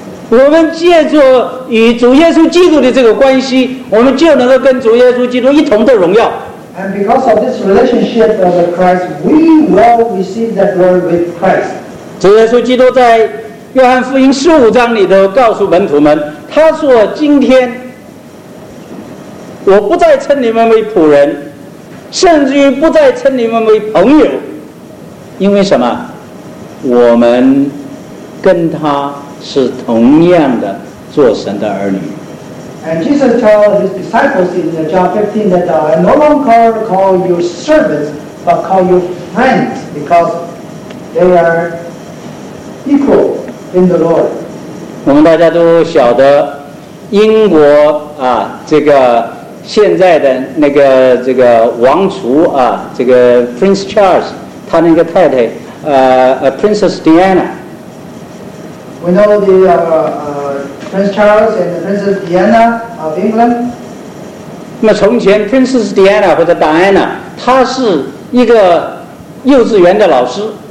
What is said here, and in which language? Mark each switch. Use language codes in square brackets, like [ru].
[zh] 我们借助与主耶稣基督的这个关系，我们就能够跟主耶稣基督一同的荣耀。 [en] And because of this relationship with Christ, we will receive that glory with Christ. [zh] 主耶稣基督在约翰福音十五章里头告诉门徒们，他说：“今天我不再称你们为仆人，甚至于不再称你们为朋友，因为什么？我们跟他是同样的，做神的儿女。” [en] And Jesus told his disciples in John 15 that I no longer call you servants, but call you friends, because they are equal in the Lord. [zh] 我们大家都晓得，英国啊，这个现在的那个这个王储啊，这个 Prince Charles， 他那个太太，Princess Diana。 [en] We know the Prince Charles and Princess Diana of England. [zh] 那么从前 Princess Diana 或者 Diana， 她是一个幼稚园的老师。